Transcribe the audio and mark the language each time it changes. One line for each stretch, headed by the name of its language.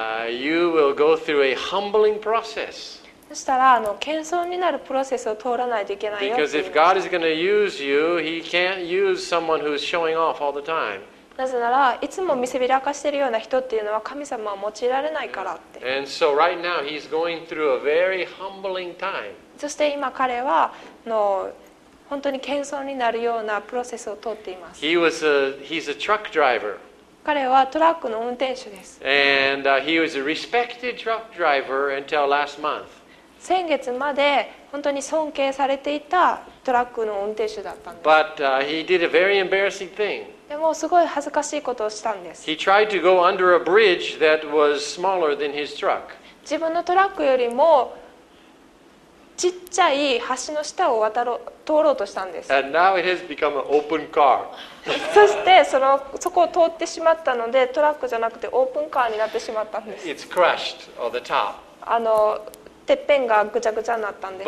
English: You will go through a humbling process.
Japanese: そしたら謙遜になるプロセスを通らないといけないよ。
English: Because if God is going to use you, He can't use someone who's showing off all the time.
Japanese: なぜならいつも見せびらかしているような人っていうのは神様は用いられないからって。
English: And so right now He's going through a very humbling time.
Japanese: そして今彼は本当に謙遜になるようなプロセスを通っています。
English: He's a truck driver.
Japanese: 彼はトラックの運転手です。
English: And he was a respected truck driver until last month.
Japanese: 先月まで本当に尊敬されていたトラックの運転手だったんです。
English: But he did a very embarrassing thing.
Japanese: でもすごい恥ずかしいことをしたんです。
English: He tried to go under a bridge that was smaller than his truck.
Japanese: 自分のトラックよりもちっちゃい橋の下を通ろうとしたんです。
English: And now it has become an open car.
Japanese: そしてそこを通ってしまったのでトラックじゃなくてオープンカーになってしまったんです。
English: It's crushed on the top.
Japanese: てっぺんがぐちゃぐちゃになったんです。